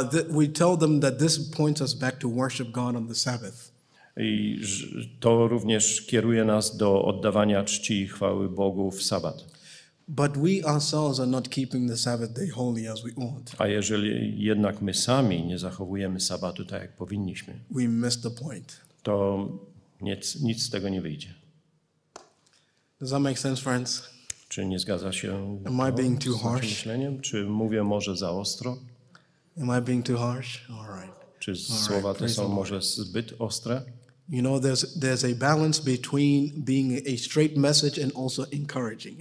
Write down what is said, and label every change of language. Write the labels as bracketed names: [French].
[English] We tell them that this points us back to worship God on the Sabbath. [Polish] I to również kieruje nas do oddawania czci i chwały Bogu w sabat. [English] But we ourselves are not keeping the Sabbath day holy as we ought. [Polish] A jeżeli jednak my sami nie zachowujemy sabatu tak jak powinniśmy. [English] We miss the point. [Polish] To nic z tego nie wyjdzie. [English] Does that make sense, friends? [Polish] Czy nie zgadza się? [English] Am I being too harsh? [Polish] Myśleniem? Czy mówię może za ostro? [English] Am I being too harsh? All right. [Polish] Czy słowa te są może zbyt ostre? [English] You know, there's a balance between being a straight message and also encouraging.